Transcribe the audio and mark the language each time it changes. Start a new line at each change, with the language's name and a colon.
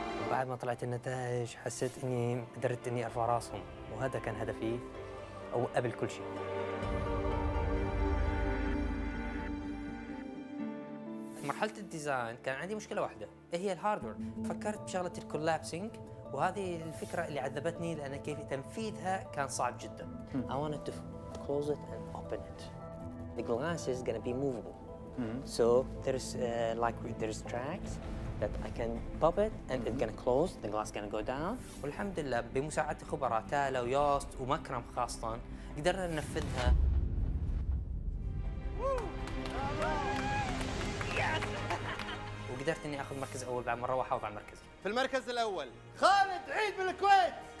Arabic: بعد ما طلعت النتائج حسيت إني قدرت إني أرفع راسهم، وهذا كان هدفي أو قبل كل شيء. مرحلة الديزاين كان عندي مشكلة واحدة، هي الهاردوير. فكرت بشغلة الكولابسينج، وهذه الفكرة اللي عذبتني لأن كيف تنفيذها كان صعب جدا.
English: I wanted to close it and open it. The glass is gonna be movable. So there's there's tracks that I can pop it and it's gonna close, the glass gonna go down.
Arabic: والحمد لله بمساعدة خبراء تالا وياست ومكرم خاصة قدرنا ننفذها. وقدرت اني اخذ مركز اول بعد مره واحافظ على المركز. في المركز الاول خالد عيد من الكويت.